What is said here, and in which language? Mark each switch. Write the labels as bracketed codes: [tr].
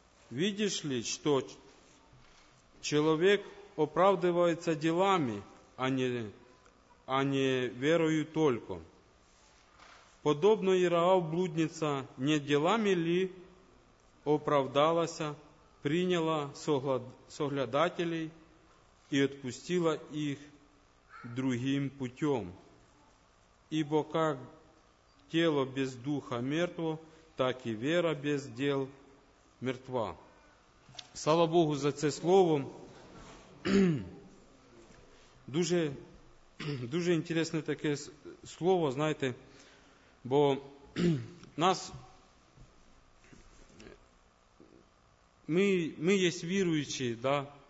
[ru] Видишь ли, что человек оправдывается делами, а не верою только? Подобно и Раав блудница, не делами ли оправдалася, прийняла соглядателей, [uk] і відпустила їх другим путем. [ru] Ибо как тело без духа мертво, так и вера без дел мертва. [uk] Слава Богу за це слово. Дуже, дуже інтересне таке слово, знаєте, бо нас, ми є віруючі, да?